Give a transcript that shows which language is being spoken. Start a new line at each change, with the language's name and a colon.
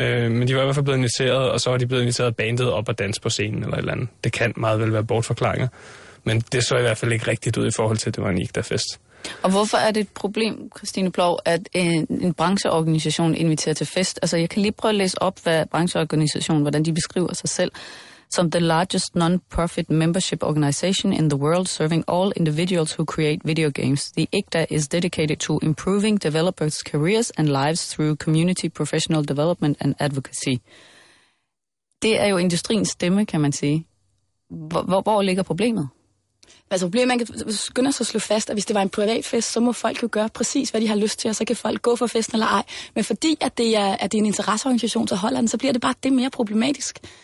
Danish: Men de var i hvert fald blevet inviteret, og så er de blevet inviteret bandet op og danse på scenen eller et eller andet. Det kan meget vel være bortforklaringer, men det så i hvert fald ikke rigtigt ud i forhold til, at det var en IGDA-fest. Og hvorfor er det et problem, Christine Plov, at en brancheorganisation inviterer til fest? Altså, jeg kan lige prøve at læse op, hvad brancheorganisationen, hvordan de beskriver sig selv.
English: Som the largest non-profit membership organization in the world, serving all individuals who create video games, the IGDA is dedicated to improving developers' careers and lives through community professional development and advocacy.
Danish: Det er jo industriens stemme, kan man sige. Hvor ligger problemet? Altså problemet, man kan skynde sig at slå fast, at hvis det var en privat fest, så må folk jo gøre præcis, hvad de har lyst til, og så kan folk gå for festen eller ej. Men fordi at det er en interesseorganisation, så holder den, så bliver det bare det mere problematisk.